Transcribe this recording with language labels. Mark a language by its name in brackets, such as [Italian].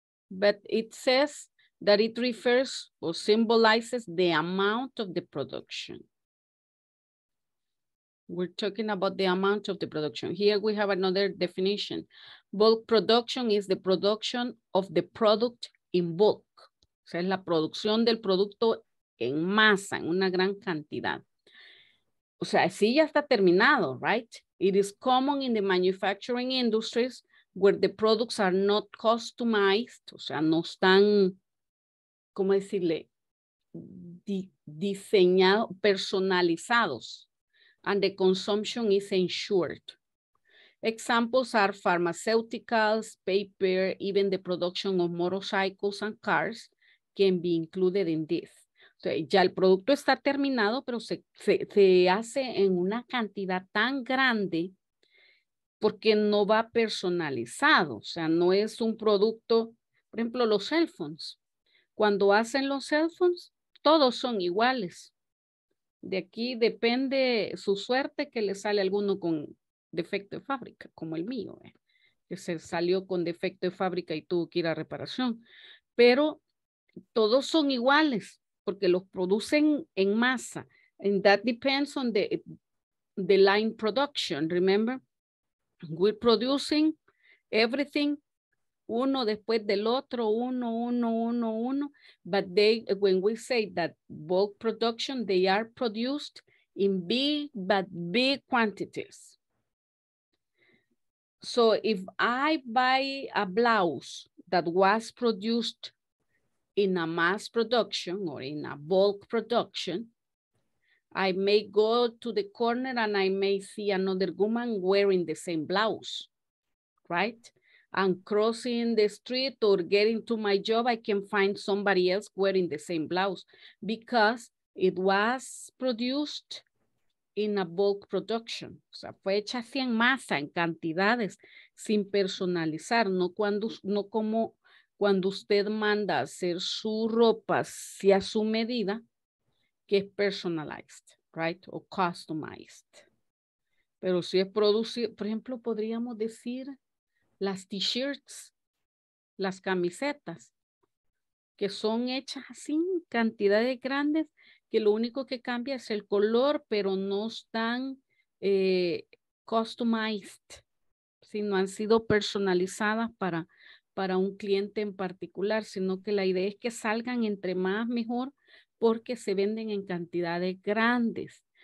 [English] But it says that it refers or symbolizes the amount of the production. We're talking about the amount of the production. Here we have another definition. Bulk production is the production of the product in bulk. [Spanish] O sea, es la producción del producto en masa, en una gran cantidad. O sea, sí ya está terminado, [English] right? It is common in the manufacturing industries where the products are not customized, [Spanish] o sea, no están, ¿cómo decirle? Diseñados, personalizados. [English] And the consumption is ensured. Examples are pharmaceuticals, paper, even the production of motorcycles and cars can be included in this. [Spanish] So, ya el producto está terminado, pero se hace en una cantidad tan grande porque no va personalizado. O sea, no es un producto, por ejemplo, los cell phones. Cuando hacen los cell phones, todos son iguales. De aquí depende su suerte que le sale alguno con defecto de fábrica, como el mío, que se salió con defecto de fábrica y tuvo que ir a reparación. Pero todos son iguales porque los producen en masa. [English] And that depends on the line production, remember? We're producing everything [Spanish] uno después del otro, uno, uno, uno, uno. [English] But when we say that bulk production, they are produced in big quantities. So if I buy a blouse that was produced in a mass production or in a bulk production, I may go to the corner and I may see another woman wearing the same blouse, right? And crossing the street or getting to my job, I can find somebody else wearing the same blouse because it was produced in a bulk production. [Spanish] O sea, fue hecha así en masa, en cantidades, sin personalizar. No como cuando usted manda hacer su ropa hacia su medida, que es [English] personalized, right? [Spanish] O customized. Pero si es producido, por ejemplo, podríamos decir las t-shirts, las camisetas, que son hechas así, cantidades grandes, que lo único que cambia es el color, pero no están customized, sino han sido personalizadas para un cliente en particular, sino que la idea es que salgan entre más mejor, porque se venden en cantidades grandes.